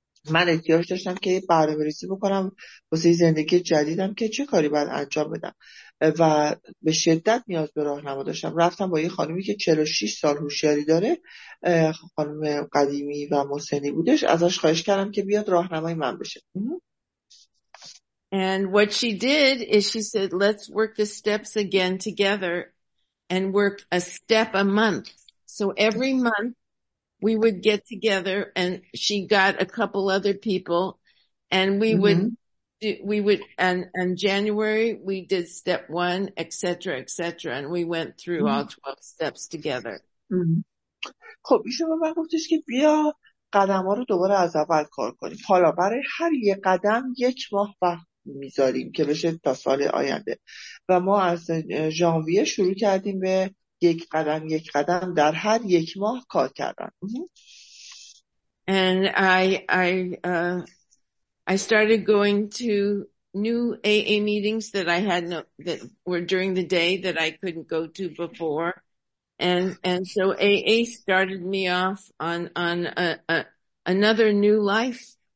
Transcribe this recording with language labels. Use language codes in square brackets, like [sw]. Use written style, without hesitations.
[fa] من احتیاج داشتم که برنامه ریزی بکنم واسه زندگی جدیدم که چه کاری باید انجام بدم، و به شدت نیاز به راهنما داشتم. رفتم با یه خانمی که 46 سال هوشیاری داره، خانم قدیمی و مسنی بودش، ازش خواهش کردم که بیاد راهنمای من بشه. [en] And what she did is she said, let's work the steps again together and work a step a month. So every month we would get together, and she got a couple other people, and we would, and January we did step one, et cetera, and we went through all 12 steps together. [fa] خب ایشون به من گفتش که بیا قدم ها رو دوباره از اول کار کنیم. حالا برای هر یه قدم یک ماه وقت میذاریم که بشه تا سال آینده. و ما از ژانویه شروع کردیم به یک قدم یک قدم در هر یک ماه کار کردن. [en] And I started going to new AA meetings that I had no, that were during the day that I couldn't go to before. And so AA started me off on another new life.